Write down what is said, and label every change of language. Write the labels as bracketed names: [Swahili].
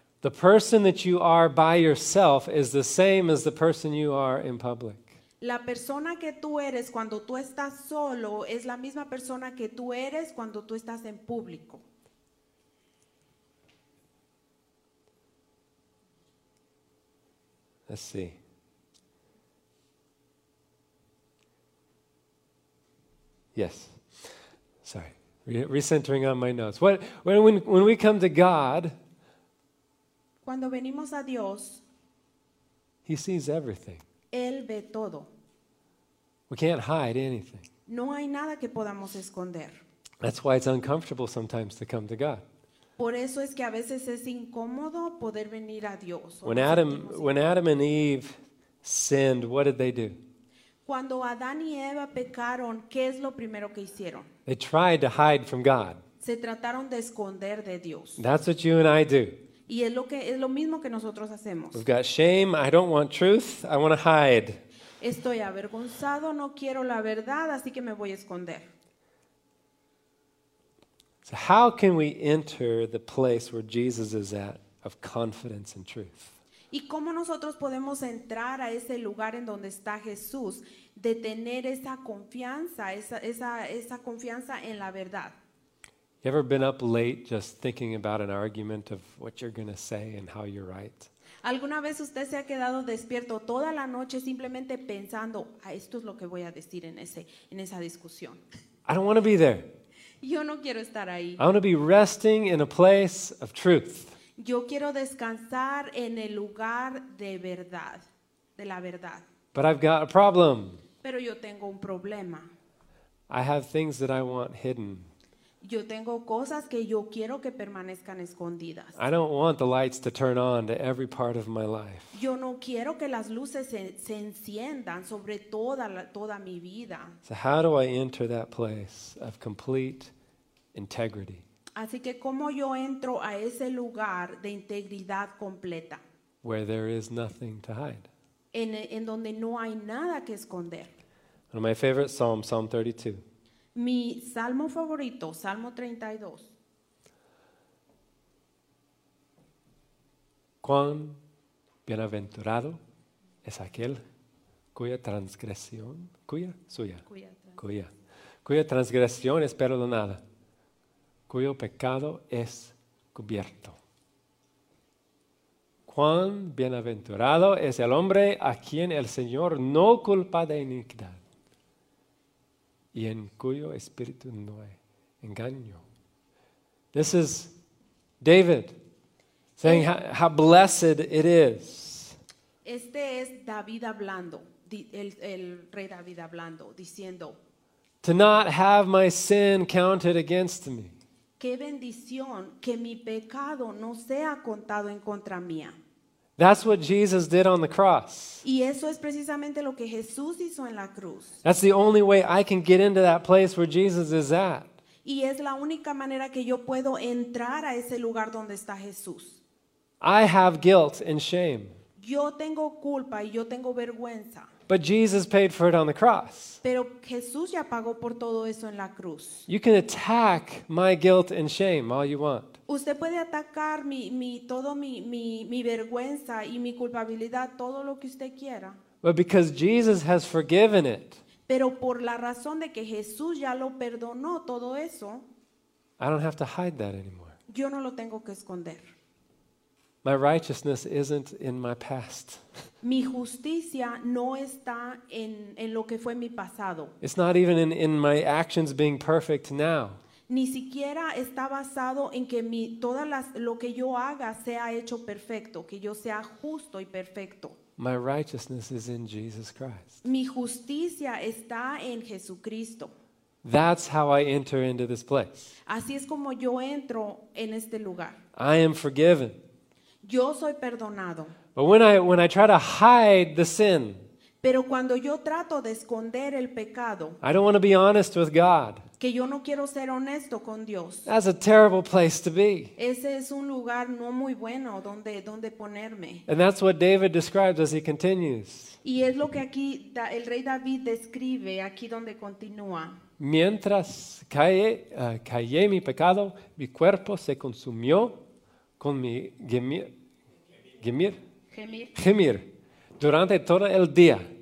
[English] The person that you are by yourself is the same as the person you are in public. [Spanish] La persona que tú eres cuando tú estás solo es la misma persona que tú eres cuando tú estás en público. [English] Let's see. Yes. Sorry. Recentering on my notes. When we come to God, [Spanish] cuando venimos a Dios, [English] He sees everything. [Spanish] Él ve todo. [English] We can't hide anything. [Spanish] No hay nada que podamos esconder. [English] That's why it's uncomfortable sometimes to come to God. [Spanish] Por eso es que a veces es incómodo poder venir a Dios. [English] When Adam and Eve sinned, what did they do? [Spanish] Cuando Adán y Eva pecaron, ¿qué es lo primero que hicieron? [English] They tried to hide from God. [Spanish] Se trataron de esconder de Dios. [English] That's what you and I do. [Spanish] Y es lo mismo que nosotros hacemos. [English] We've got shame. I don't want truth. I want to hide. [Spanish] Estoy avergonzado. No quiero la verdad, así que me voy a esconder. [English] So how can we enter the place where Jesus is at of confidence and truth? [Spanish] ¿Y cómo nosotros podemos entrar a ese lugar en donde está Jesús de tener esa confianza, esa confianza en la verdad? [English] You ever been up late just thinking about an argument of what you're going to say and how you're right? [Spanish] ¿Alguna vez usted se ha quedado despierto toda la noche simplemente pensando, esto es lo que voy a decir en esa discusión? [English] I don't want to be there. [Spanish] Yo no quiero estar ahí. [English] I want to be resting in a place of truth. [Spanish] Yo quiero descansar en el lugar de verdad, de la verdad. [English] But I've got a problem. [Spanish] Pero yo tengo un problema. [English] I have things that I want hidden. [Spanish] Yo tengo cosas que yo quiero que permanezcan escondidas. [English] I don't want the lights to turn on to every part of my life. [Spanish] Yo no quiero que las luces se enciendan sobre toda mi vida. [English] So how do I enter that place of complete integrity? [Spanish] Así que cómo yo entro a ese lugar de integridad completa. [English] Where there is nothing to hide. [Spanish] En donde no hay nada que esconder. [English] One of my favorite psalms, Psalm 32. [Spanish] Mi salmo favorito, Salmo 32. Cuán bienaventurado es aquel cuya transgresión, cuya transgresión es perdonada, cuyo pecado es cubierto. Cuán bienaventurado es el hombre a quien el Señor no culpa de iniquidad y en cuyo espíritu no hay engaño. [English] This is David saying how blessed it is. [Spanish] Este es David hablando, el rey David hablando, diciendo, [English] to not have my sin counted against me. [Spanish] Qué bendición que mi pecado no sea contado en contra mía. [English] That's what Jesus did on the cross. [Spanish] Y eso es precisamente lo que Jesús hizo en la cruz. [English] That's the only way I can get into that place where Jesus is at. [Spanish] Y es la única manera que yo puedo entrar a ese lugar donde está Jesús. [English] I have guilt and shame. [Spanish] Yo tengo culpa y yo tengo vergüenza. [English] But Jesus paid for it on the cross. [Spanish] Pero Jesús ya pagó por todo eso en la cruz. [English] You can attack my guilt and shame all you want. [Spanish] Usted puede atacar mi vergüenza y mi culpabilidad todo lo que usted quiera. [English] But because Jesus has forgiven it. [Spanish] Pero por la razón de que Jesús ya lo perdonó todo eso. [English] I don't have to hide that anymore. [Spanish] Yo no lo tengo que esconder. [English] My righteousness isn't in my past. [Spanish] Mi justicia no está en lo que fue mi pasado. [English] It's not even in my actions being perfect now. [Spanish] Ni siquiera está basado en que lo que yo haga sea hecho perfecto, que yo sea justo y perfecto. [English] My righteousness is in Jesus Christ. [Spanish] Mi justicia está en Jesucristo. [English] That's how I enter into this place. [Spanish] Así es como yo entro en este lugar. [English] I am forgiven. [Spanish] Yo soy perdonado. [English] But when I try to hide the sin, [Spanish] pero cuando yo trato de esconder el pecado, [English] I don't want to be honest with God. [Spanish] Que yo no quiero ser honesto con Dios. [English] That's a terrible place to be. [Spanish] Ese es un lugar no muy bueno donde ponerme. [English] And that's what David describes as he continues. [Spanish] Y es lo que aquí el rey David describe aquí donde continúa. Mientras callé mi pecado, mi cuerpo se consumió con mi gemir durante todo el día.